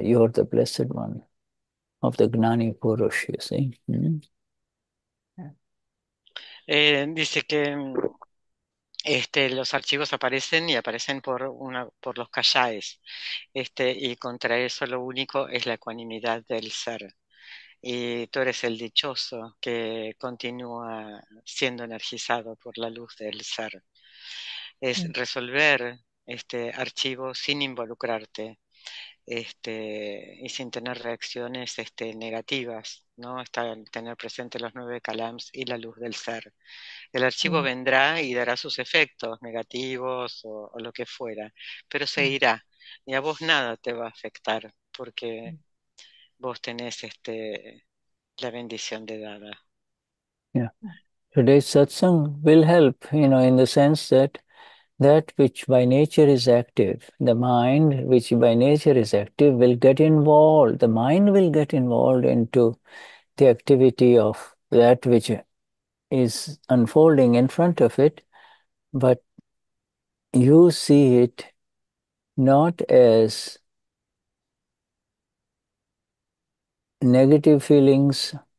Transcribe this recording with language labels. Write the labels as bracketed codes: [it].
[en] You are the blessed one of the Gnani Purush, you see. [es] Dice que los archivos aparecen y aparecen por los kashaes, y contra eso lo único es la ecuanimidad del ser. Y tú eres el dichoso que continúa siendo energizado por la luz del ser. Es resolver este archivo sin involucrarte, y sin tener reacciones negativas, ¿no? Está tener presente los nueve kalams y la luz del ser. El archivo vendrá y dará sus efectos negativos o lo que fuera, pero se irá y a vos nada te va a afectar porque vos tenés la bendición de Dada. [en] Today's satsang will help, in the sense that which by nature is active, the mind which by nature is active will get involved. The mind will get involved into the activity of that which is unfolding in front of it, but you see it not as negative feelings.